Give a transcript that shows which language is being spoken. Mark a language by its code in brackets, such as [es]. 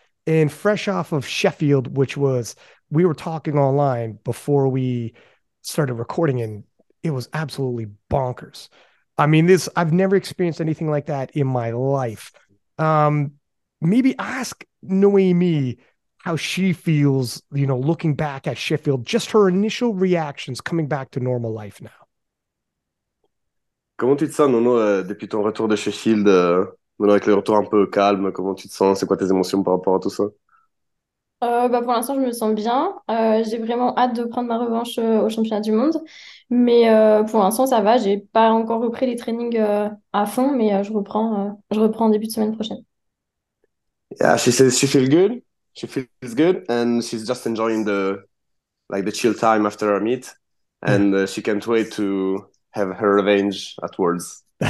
[en] And fresh off of Sheffield, which was, we were talking online before we started recording, and it was absolutely bonkers. I mean, this, I've never experienced anything like that in my life. Maybe ask Noémie how she feels, you know, looking back at Sheffield, just her initial reactions coming back to normal life now. [fr] Comment tu te sens, Nono, depuis ton retour de Sheffield, avec le retour un peu calme, comment tu te sens, c'est quoi tes émotions par rapport à tout ça? Pour l'instant, je me sens bien. J'ai vraiment hâte de prendre ma revanche au championnat du monde. Mais pour l'instant, ça va. J'ai pas encore repris les trainings à fond, mais je reprends en début de semaine prochaine. [en] Yeah, she says she feels good. She feels good, and she's just enjoying the like the chill time after our meet, and she can't wait to have her revenge at Worlds.